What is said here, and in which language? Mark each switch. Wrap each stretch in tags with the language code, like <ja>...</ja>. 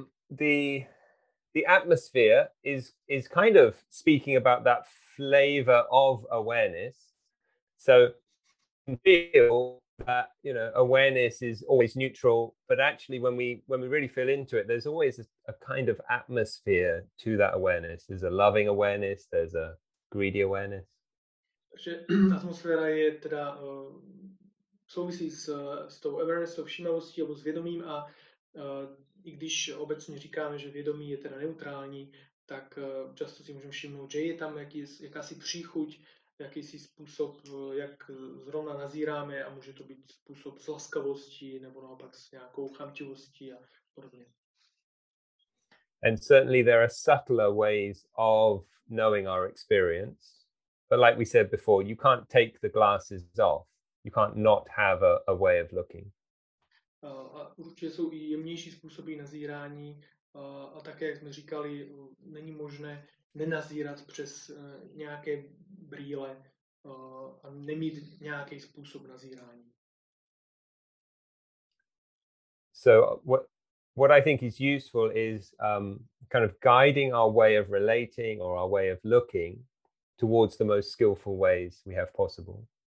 <en>The atmosphere is kind of speaking about that flavor of awareness. So you feel that, you know, awareness is always neutral, but actually when we really feel into it, there's always a kind of atmosphere to that awareness. There's a loving awareness, there's a greedy awareness.</en> <cs>Atmosféra je teda souvisí s tou awareness, s všímavostí nebo s vědomím, a i když obecně říkáme, že vědomí je teda neutrální, tak často si můžeme všimnout, že je tam jakási příchuť, jakýsi způsob, jak zrovna nazíráme, a může to být způsob s laskavostí nebo naopak s nějakou chamtivostí a podobně.</cs> <en>And certainly there are subtler ways of knowing our experience. But like we said before, you can't take the glasses off. You can't not have a way of looking.</en> <cs>A určitě jsou i jemnější způsoby nazírání, a také, jak jsme říkali, není možné nenazírat přes nějaké brýle a nemít nějaký způsob nazírání.</cs> <en>So what I think is useful is kind of guiding our way of relating or our way of looking towards the most skillful ways we have possible.</en>